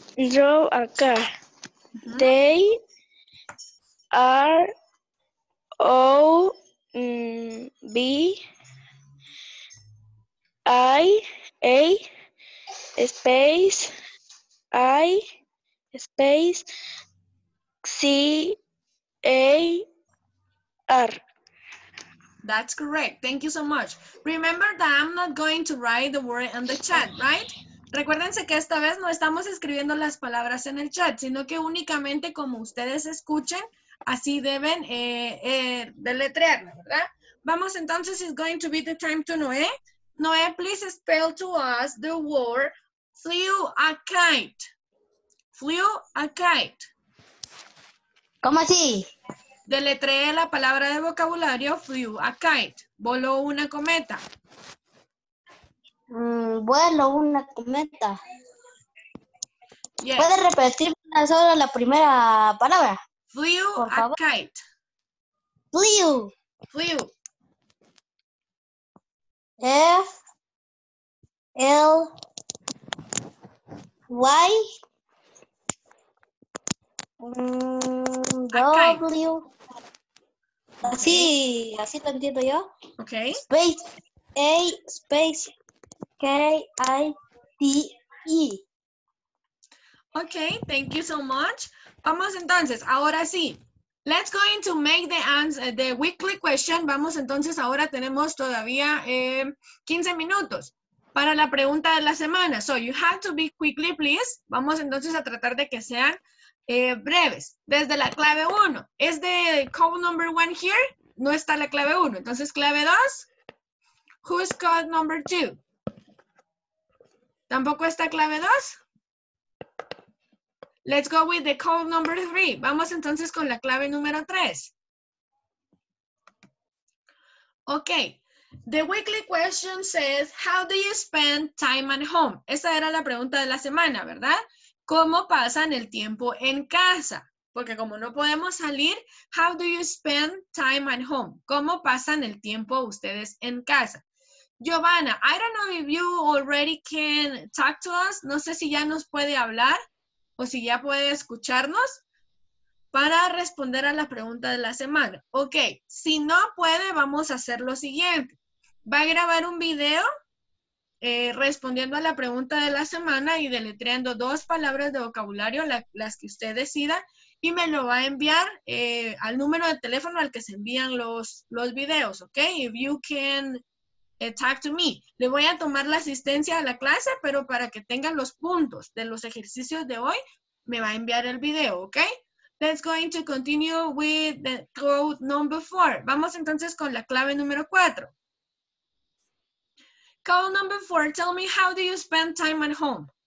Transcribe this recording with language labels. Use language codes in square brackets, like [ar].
[en] Drove a car. They are O B I A space I space C A R. That's correct. Thank you so much. Remember that I'm not going to write the word in the chat, right? [es] Recuérdense que esta vez no estamos escribiendo las palabras en el chat, sino que únicamente como ustedes escuchen, así deben deletrearla, ¿verdad? Vamos entonces, [en] it's going to be the time to Noé. Noé, please spell to us the word flew a kite. Flew a kite. [es] ¿Cómo así? Deletreé la palabra de vocabulario [en] flew a kite. [es] Voló una cometa. Vuelo una cometa. [en] Yes. [es] ¿Puedes repetir solo la primera palabra? [en] Flew a kite. Flew. Flew. F. L. [es] Y. W. Así, okay. Así lo entiendo yo. [en] Okay. Space. A. Space. K. I. T. E. Okay, thank you so much. [es] Vamos entonces, ahora sí. [en] Let's go into make the answer, the weekly question. [es] Vamos entonces, ahora tenemos todavía 15 minutos para la pregunta de la semana. [en] So you have to be quickly, please. [es] Vamos entonces a tratar de que sean breves. Desde la clave 1, ¿es de [en] code number 1 here? [es] No está la clave 1. Entonces, clave 2, [en] ¿who's code number 2? [es] ¿Tampoco está clave 2? [en] Let's go with the code number 3. [es] Vamos entonces con la clave número 3. [en] Okay. The weekly question says, how do you spend time at home? [es] Esa era la pregunta de la semana, ¿verdad? ¿Cómo pasan el tiempo en casa? Porque como no podemos salir, [en] how do you spend time at home? [es] ¿Cómo pasan el tiempo ustedes en casa? [en] Giovanna, I don't know if you already can talk to us. [es] No sé si ya nos puede hablar. O si ya puede escucharnos para responder a la pregunta de la semana. Ok, si no puede, vamos a hacer lo siguiente. Va a grabar un video respondiendo a la pregunta de la semana y deletreando dos palabras de vocabulario, las que usted decida, y me lo va a enviar al número de teléfono al que se envían los videos, ok? [en] If you can talk to me. [es] Le voy a tomar la asistencia a la clase, pero para que tengan los puntos de los ejercicios de hoy, me va a enviar el video, [en] ¿ok? Let's go to continue with the code number 4. [es] Vamos entonces con la clave número 4. [en] Code number 4, tell me, how do you spend time at home?